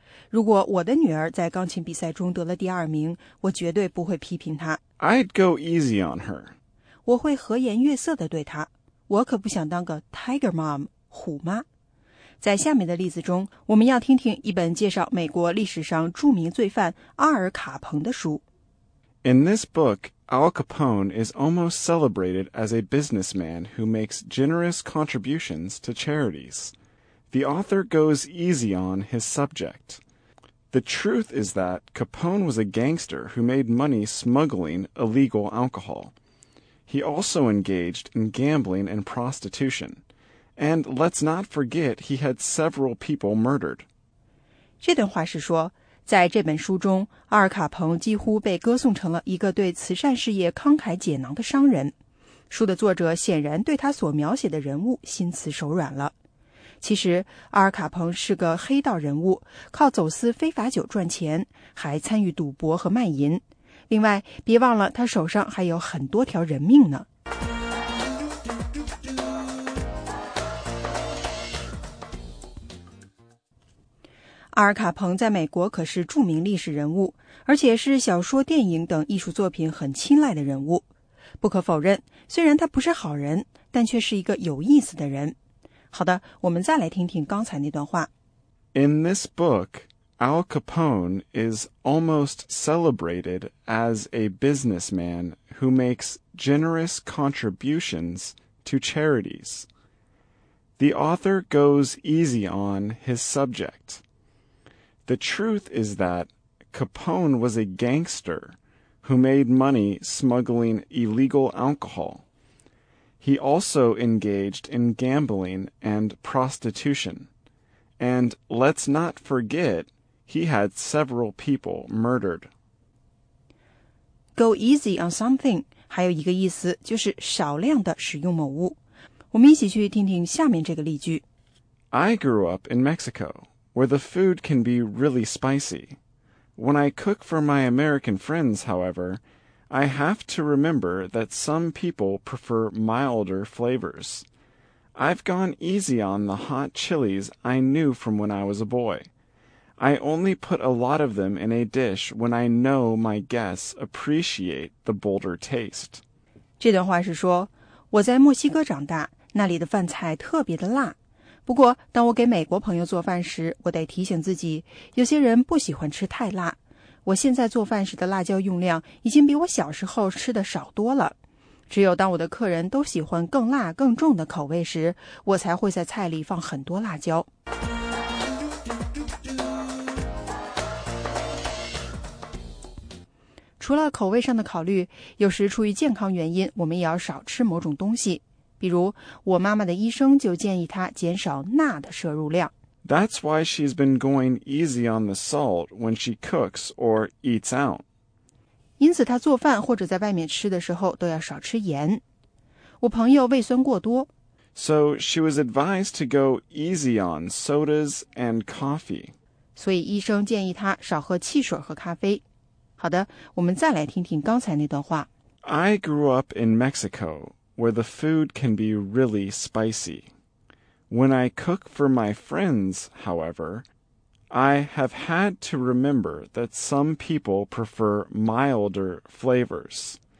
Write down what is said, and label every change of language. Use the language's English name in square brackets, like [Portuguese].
[Chinese] 如果我的女儿在钢琴比赛中得了2名，我绝对不会批评她。 [English] I'd go easy on her. [Chinese] 我会和颜悦色地对她。我可不想当个 [English] tiger mom, [Chinese] 虎妈。在下面的例子中，我们要听听一本介绍美国历史上著名罪犯阿尔卡彭的书。 [English] In this book, Al Capone is almost celebrated as a businessman who makes generous contributions to charities. The author goes easy on his subject. The truth is that Capone was a gangster who made money smuggling illegal alcohol. He also engaged in gambling and prostitution. And let's not forget he had several people murdered. [Chinese] 这段话是说，在这本书中，阿尔卡彭几乎被歌颂成了一个对慈善事业慷慨解囊的商人。书的作者显然对他所描写的人物心慈手软了。其实，阿尔卡彭是个黑道人物，靠走私非法酒赚钱，还参与赌博和卖淫。另外，别忘了他手上还有很多条人命呢。阿尔卡彭在美国可是著名历史人物，而且是小说、电影等艺术作品很青睐的人物。不可否认，虽然他不是好人，但却是一个有意思的人。好的，我们再来听听刚才那段话。 [English] In this book, Al Capone is almost celebrated as a businessman who makes generous contributions to charities. The author goes easy on his subject. The truth is that Capone was a gangster who made money smuggling illegal alcohol. He also engaged in gambling and prostitution. And let's not forget, he had several people murdered. Go easy on something [Chinese] 还有一个意思就是少量的使用某物。我们一起去听听下面这个例句。 [English] I grew up in Mexico, where the food can be really spicy. When I cook for my American friends, however, I have to remember that some people prefer milder flavors. I've gone easy on the hot chilies I knew from when I was a boy. I only put a lot of them in a dish when I know my guests appreciate the bolder taste. [Chinese] 这段话是说，我在墨西哥长大，那里的饭菜特别的辣。不过，当我给美国朋友做饭时，我得提醒自己，有些人不喜欢吃太辣。我现在做饭时的辣椒用量已经比我小时候吃的少多了。只有当我的客人都喜欢更辣、更重的口味时，我才会在菜里放很多辣椒。除了口味上的考虑，有时出于健康原因，我们也要少吃某种东西。比如，我妈妈的医生就建议她减少钠的摄入量。 [English] That's why she's been going easy on the salt when she cooks or eats out. [Chinese] 因此她做饭或者在外面吃的时候都要少吃盐。我朋友胃酸过多。 [English] So she was advised to go easy on sodas and coffee. [Chinese] 所以医生建议她少喝汽水和咖啡。好的，我们再来听听刚才那段话。 [English] I grew up in Mexico, where the food can be really spicy. When I cook for my friends, however, I have had to remember that some people prefer milder flavors.